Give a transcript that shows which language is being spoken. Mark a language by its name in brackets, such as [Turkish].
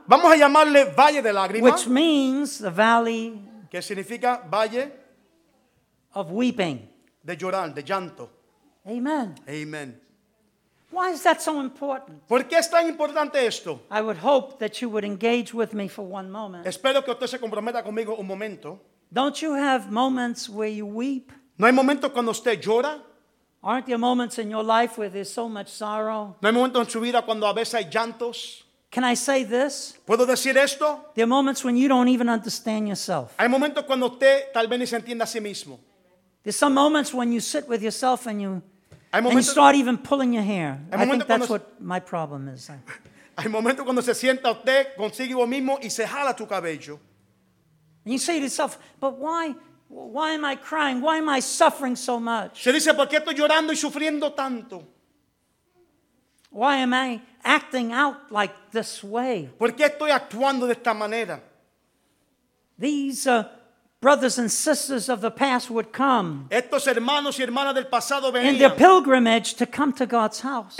[Spanish] Vamos a llamarle Valle de Lágrimas. [English] Which means the valley. [Spanish] Que significa valle. [English] Of weeping. [Spanish] De llorar, de llanto. [English] Amen. Amen. Why is that so important? [Spanish] ¿Por qué es tan importante esto? [English] I would hope that you would engage with me for one moment. [Spanish] Espero que usted se comprometa conmigo un momento. [English] Don't you have moments where you weep? [Spanish] ¿No hay momentos cuando usted llora? [English] Aren't there moments in your life where there's so much sorrow? [Spanish] ¿No hay momentos en su vida cuando a veces hay llantos? [English] Can I say this? [Spanish] ¿Puedo decir esto? [English] There are moments when you don't even understand yourself. [Spanish] Hay momentos cuando usted tal vez ni se entienda a sí mismo. [English] There's some moments when you sit with yourself and you start even pulling your hair. I think that's what my problem is. [Spanish] Hay momentos cuando se sienta usted consigo mismo y se jala tu cabello. [English] And you say to yourself, but why? Why am I crying? Why am I suffering so much? [Spanish] Se dice, ¿por qué estoy llorando y sufriendo tanto? [English] Why am I acting out like this way? [Spanish] ¿Por qué estoy actuando de esta manera? [English] These brothers and sisters of the past would come. [Spanish] Estos hermanos y hermanas del pasado venían. [English] In their pilgrimage to come to God's house.